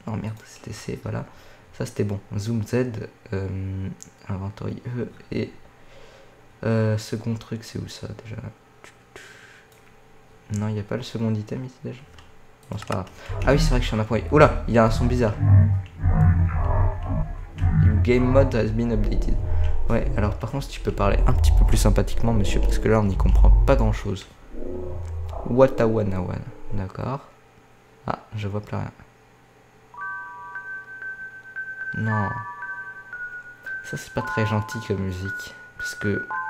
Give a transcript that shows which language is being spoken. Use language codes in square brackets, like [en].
[fr] Non, merde, c'était C, voilà. Ça, c'était bon. Zoom Z, inventory E, et. Second truc, c'est où ça déjà? Non, il n'y a pas le second item ici déjà. Bon, c'est pas grave. Ah oui, c'est vrai que je suis en appui. Oula, il y a un son bizarre. [en] Your game mode has been updated. [fr] Ouais, alors par contre, si tu peux parler un petit peu plus sympathiquement, monsieur, parce que là, on n'y comprend pas grand chose. Watawanawan, d'accord. Ah, je vois plus rien. Non. Ça, c'est pas très gentil comme musique. Parce que...